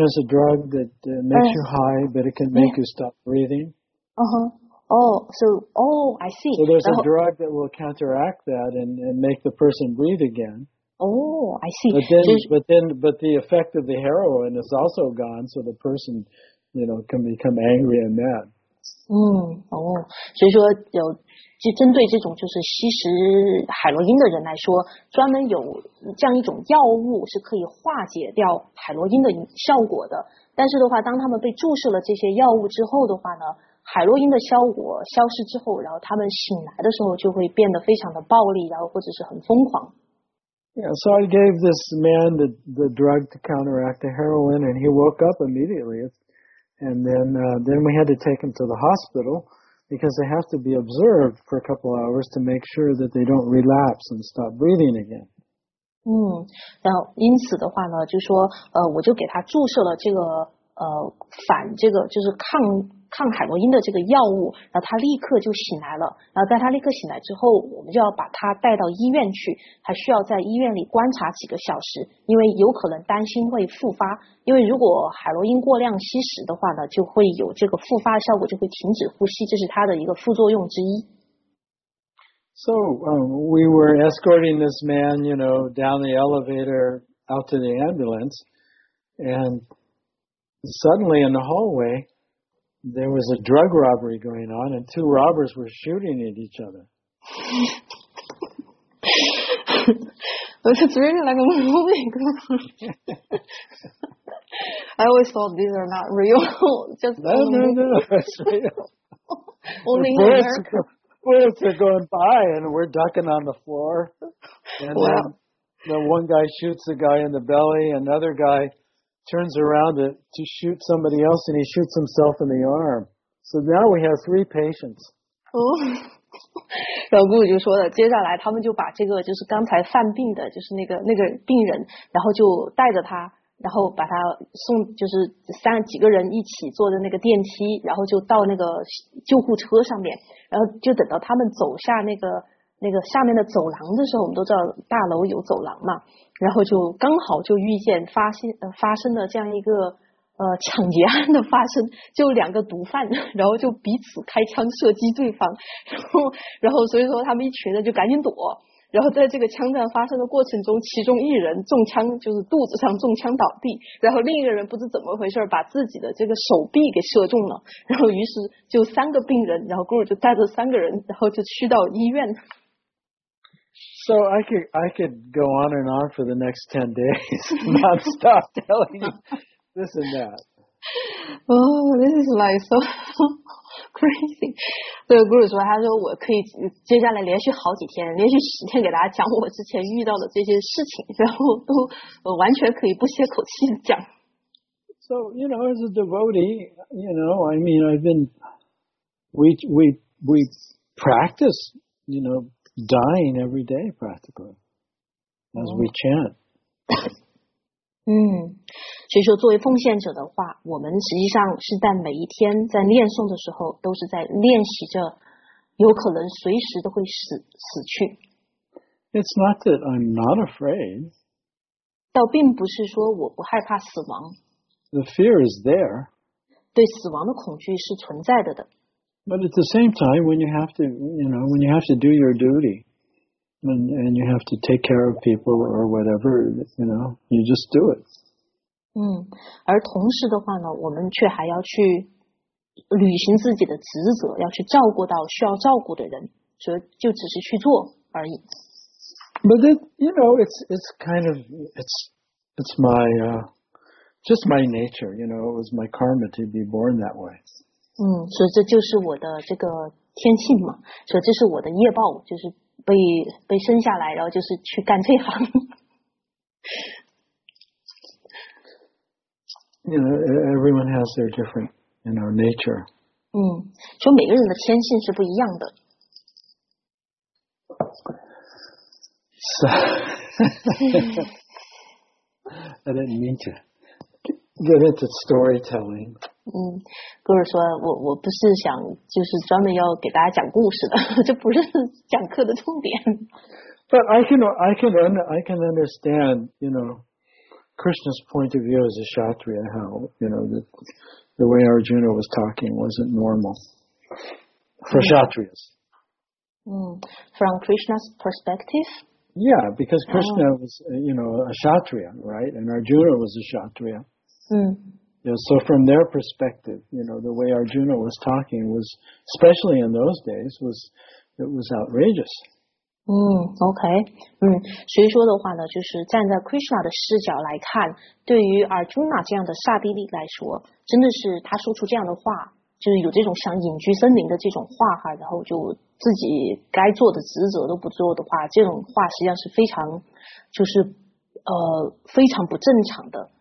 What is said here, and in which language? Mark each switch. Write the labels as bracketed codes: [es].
[en] is a drug that makes you high, but it can make you stop breathing. I see. So there's a drug that will counteract that and make the person breathe again. I see. But the effect of the heroin is also gone, so the person, can become angry and mad. [zh] 所以说有，就针对这种就是吸食海洛因的人来说，专门有这样一种药物是可以化解掉海洛因的效果的。但是的话，当他们被注射了这些药物之后的话呢？海洛因的效果消失之后，然后他们醒来的时候就会变得非常的暴力，然后或者是很疯狂。 [en] Yeah, so I gave this man the drug to counteract the heroin, and he woke up immediately. And then we had to take him to the hospital because they have to be observed for a couple hours to make sure that they don't relapse and stop breathing again. [zh] 然后因此的话呢，就说我就给他注射了这个反这个就是抗海洛因的这个药物，然后他立刻就醒来了。然后在他立刻醒来之后，我们就要把他带到医院去，他需要在医院里观察几个小时，因为有可能担心会复发。因为如果海洛因过量吸食的话呢，就会有这个复发效果，就会停止呼吸，这是他的一个副作用之一。 [en] So, we were escorting this man, down the elevator out to the ambulance, and suddenly in the hallway. There was a drug robbery going on, and two robbers were shooting at each other. It's really like a movie. I always thought these are not real. No, it's real. Only the bullets are going by, and we're ducking on the floor. And wow. Then the one guy shoots the guy in the belly, another guy... turns around to shoot somebody else and he shoots himself in the arm. So now we have three patients. [zh] 然后姑姑就说了，接下来他们就把这个就是刚才犯病的，就是那个病人，然后就带着他，然后把他送，就是三几个人一起坐的那个电梯，然后就到那个救护车上面，然后就等到他们走下那个下面的走廊的时候，我们都知道大楼有走廊嘛，然后就刚好就遇见发生了这样一个抢劫案的发生，就两个毒贩，然后就彼此开枪射击对方，然后所以说他们一群人就赶紧躲，然后在这个枪战发生的过程中，其中一人中枪，就是肚子上中枪倒地，然后另一个人不知怎么回事把自己的这个手臂给射中了，然后于是就三个病人，然后姑姑就带着三个人，然后就去到医院。 [en] So I could go on and on for the next 10 days, not stop telling you this and that. Oh, this is like so crazy. [zh] 对，姑姑说，她说我可以接下来连续好几天，连续十天给大家讲我之前遇到的这些事情，然后都完全可以不歇口气的讲。 [en] So, you know, as a devotee, you know, I mean, we practice, you know,dying every day practically as we chant. [zh] 所以说作为奉献者的话，我们实际上是在每一天在念诵的时候都是在练习着有可能随时都会死去。 [en] It's not that I'm not afraid. [zh] 倒并不是说我不害怕死亡。 [en] The fear is there. [zh] 对死亡的恐惧是存在的。 [en] But at the same time, when you have to, you know, when you have to do your duty and you have to take care of people or whatever, you know, you just do it. [zh] 而同时的话呢，我们却还要去履行自己的职责，要去照顾到需要照顾的人，所以就只是去做而已。 [en] But it, you know, it's my nature, you know, it was my karma to be born that way. [zh] 所以这就是我的这个天性嘛，所以这是我的业报，就是被生下来，然后就是去干这行。 [en] You know, everyone has their different, you know, nature. [zh] 所以每个人的天性是不一样的。 [en] So, I didn't mean to get into storytelling. [zh] 哥们说我不是想就是专门要给大家讲故事的，这不是讲课的重点。 [en] But I can understand, you know, Krishna's point of view as a Kshatriya, how, you know, the way Arjuna was talking wasn't normal for Kshatriyas. From Krishna's perspective? Yeah, because Krishna was, you know, a Kshatriya, right? And Arjuna was a Kshatriya. Yeah, so from their perspective, you know, the way Arjuna was talking was, especially in those days, it was outrageous. Okay. [zh] 所以说的话呢，就是站在 Krishna 的视角来看，对于 Arjuna 这样的刹帝利来说，真的是他说出这样的话，就是有这种想隐居森林的这种话哈，然后就自己该做的职责都不做的话，这种话实际上是非常，就是非常不正常的。